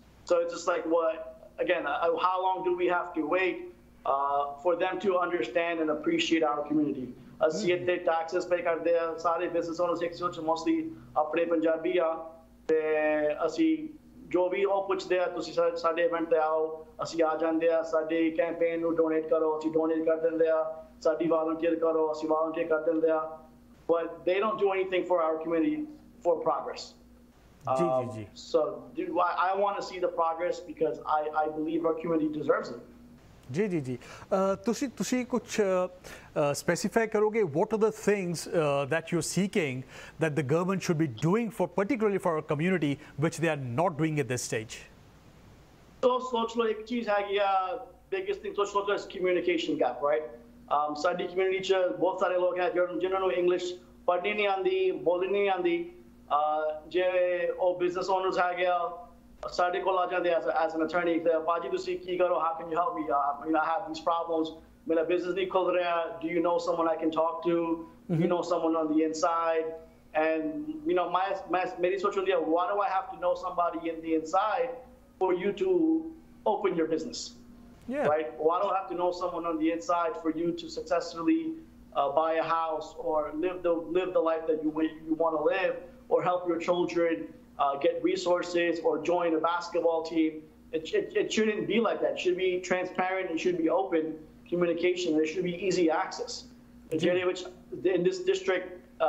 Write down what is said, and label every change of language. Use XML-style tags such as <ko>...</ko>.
<pa>so it's just like what again how long do we have to wait for them to understand and appreciate our community ਅਸੀਂ ਇੱਥੇ Texas ਪੇ ਕਰਦੇ ਹਾਂ ਸਾਰੇ business honours ਇੱਕ ਸੋਚ mostly ਆਪਣੇ ਪੰਜਾਬੀ ਆ ਅਤੇ ਅਸੀਂ ਜੋ ਵੀ ਉਹ ਪੁੱਛਦੇ ਆ ਤੁਸੀਂ ਸਾਡੇ ਇਵੈਂਟ 'ਤੇ ਆਓ ਅਸੀਂ ਆ ਜਾਂਦੇ ਹਾਂ ਸਾਡੀ ਕੈਂਪੇਨ ਨੂੰ ਡੋਨੇਟ ਕਰੋ ਅਸੀਂ ਡੋਨੇਟ ਕਰ ਦਿੰਦੇ ਹਾਂ ਸਾਡੀ ਵਾਲੰਟੀਅਰ ਕਰੋ ਅਸੀਂ ਵਾਲੰਟੀਅਰ ਕਰ ਦਿੰਦੇ ਹਾਂ but they don't do anything four hour community four progress ਜੀ</pa> <en>so I want to see the progress because I believe our community deserves it ਜੀ ਜੀ ਜੀ ਤੁਸੀਂ ਤੁਸੀਂ ਕੁਛ ਸਪੈਸੀਫਾਈ ਕਰੋਗੇ what are the things that you are seeking that the government should be doing for particularly for our community which they are not doing at this stage</en> <pa>ਸੋ ਸੋਚ ਲਓ ਇੱਕ ਚੀਜ਼ ਹੈਗੀ ਆ ਬਿਗੇਸਟ ਥਿੰਗ ਸੋਚ ਲਓ ਇਸ ਕਮਿਊਨੀਕੇਸ਼ਨ ਗੈਪ ਰਾਈਟ ਸਾਡੀ ਕਮਿਊਨਿਟੀ 'ਚ ਬਹੁਤ ਸਾਰੇ ਲੋਕ ਹੈ ਜਿਹਨਾਂ ਨੂੰ ਇੰਗਲਿਸ਼ ਪੜ੍ਹਨੀ ਨਹੀਂ ਆਉਂਦੀ ਬੋਲਣੀ ਨਹੀਂ ਆਉਂਦੀ</pa> <en>ਜੇ ਉਹ business owners ਆ ਗਿਆ ਸਾਡੇ ਕੋਲ ਆ ਜਾਂਦੇ ਆ ਐਸ ਐਨ ਅਟਾਰਨੀ ਪਾਜੀ ਤੁਸੀਂ ਕੀ ਕਰੋ how can you help me I have these problems ਮੇਰਾ ਬਿਜ਼ਨਸ ਨਹੀਂ ਖੁੱਲ ਰਿਹਾ do you know someone I can talk to you know someone on the inside and you know ਮੇਰੀ ਸੋਚ ਹੁੰਦੀ ਆ why do I have to know somebody in the inside for you to open your business yeah right why do I have to know someone on the inside for you to successfully buy a house or live the life that you want to live or help your children get resources or join a basketball team it shouldn't be like that it should be transparent it should be open communication there should be easy access generally which in this district</en>